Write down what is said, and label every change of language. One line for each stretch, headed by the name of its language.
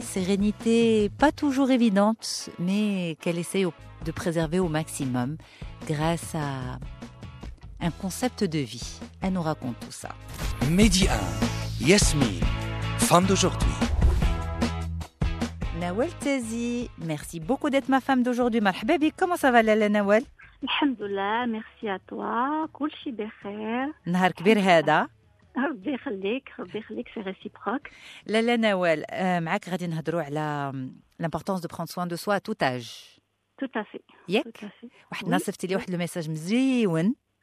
French: Sérénité pas toujours évidente, mais qu'elle essaye de préserver au maximum grâce à un concept de vie. Elle nous raconte tout ça. Média, Yasmine, femme d'aujourd'hui. Nawal Tazi, merci beaucoup d'être ma femme d'aujourd'hui. Marhababi, comment ça va Lala Nawal? Alhamdoulilah, merci à toi.
Arabic: Kulchi bekhir. Nahar kbir hada. ربي يخليك
French: c'est réciproque. Lala Nawal,
Arabic: معاك غادي نهضروا على
French: l'importance de prendre soin de soi à tout âge. Tout à fait.
Arabic: Yek? واحد النهار صيفطت لي واحد لو ميساج مزيون.